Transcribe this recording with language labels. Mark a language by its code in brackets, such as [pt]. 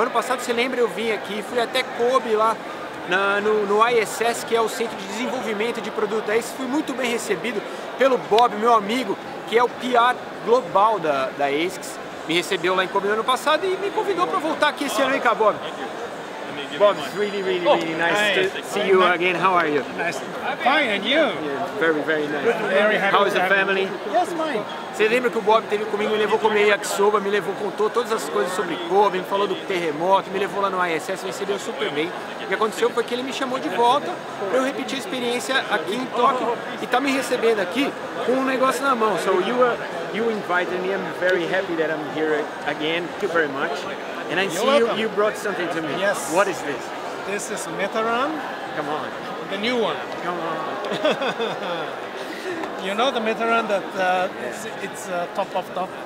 [pt] Ano passado, você lembra, eu vim aqui, fui até Kobe lá no ISS, que é o Centro de Desenvolvimento de Produto da ASICS. Fui muito bem recebido pelo Bob, meu amigo, que é o PR global da ASICS. Me recebeu lá em Kobe no ano passado e me convidou para voltar aqui esse ano, hein, cara, Bob? [en] Bob, it's really, really, really nice to see you again. How are you? Nice. Fine, and you? Yeah, very, very nice. Very happy. How is the family? Yes, mine. [pt] Você lembra que o Bob teve comigo, me levou comer yakisoba, me levou, contou todas as coisas sobre Kobe, me falou do terremoto, me levou lá no ISS, me recebeu super bem. O que aconteceu foi que ele me chamou de volta para eu repetir a experiência aqui em Tóquio e tá me recebendo aqui com um negócio na mão. [en] So you invited me. I'm very happy that I'm here again. Thank you very much. And I see you brought something to me. Yes. What is this? This is Metaran. Come on. The new one. Come on. You know the Metaran that it's top of top?